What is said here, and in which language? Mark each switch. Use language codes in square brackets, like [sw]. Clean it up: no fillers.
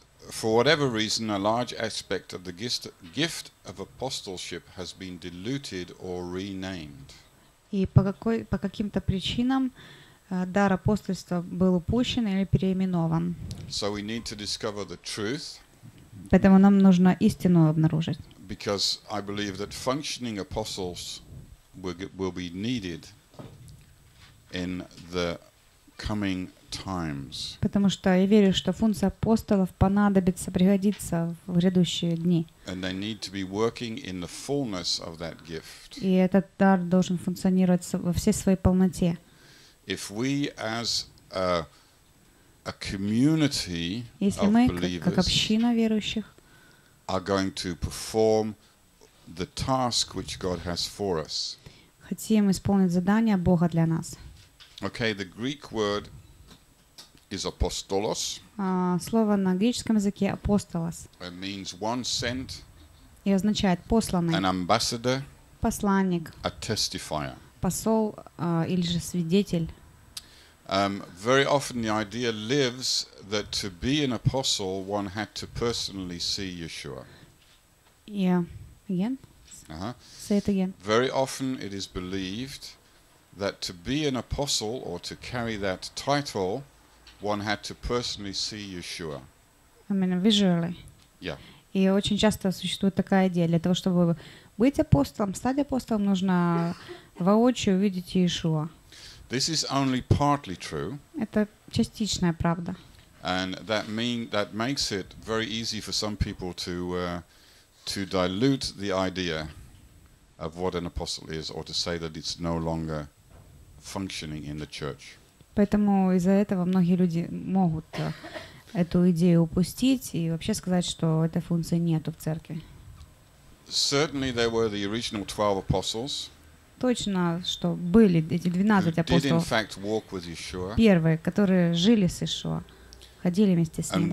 [en] For whatever reason, a large aspect of the gift of apostleship has been diluted or renamed. [ru] И по каким-то причинам дар апостольства был упущен или переименован. [en] So we need to discover the truth. [ru] Поэтому нам нужно истину обнаружить. [en] Because I believe that functioning apostles will be needed in the coming times. [ru] Потому что я верю, что функция апостолов понадобится, пригодится в грядущие дни. [en] And they need to be working in the fullness of that gift. [ru] И этот дар должен функционировать во всей своей полноте. [en] If we as a community of believers [ru] как община верующих [en] are going to perform the task which God has for us, [ru] хотим исполнить задание Бога для нас. [en] Okay, the Greek word is apostolos. [ru] Слово на греческом языке апостолос. [en] It means one sent. [ru] И означает посланный. [en] An ambassador. [ru] Посланник. [en] A testifier. [ru] Посол или же свидетель. [en] Very often the idea lives that to be an apostle one had to personally see Yeshua. Yeah. Again? Say it again. Very often it is believed that to be an apostle or to carry that title one had to personally see Yeshua. I mean visually. Yeah. [ru] И очень часто существует такая идея, для того чтобы быть апостолом, стать апостолом, нужно воочию увидеть Иешуа. [en] This is only partly true. [ru] Это частичная правда. [en] And that makes it very easy for some people to dilute the idea of what an apostle is or to say that it's no longer functioning in the church. [ru] Поэтому из-за этого многие люди могут эту идею упустить и вообще сказать, что этой функции нету в церкви. [en] Certainly there were the original 12 apostles. [ru] Точно, что были эти 12 апостолов, первые, которые жили с Иешуа, ходили вместе с ним.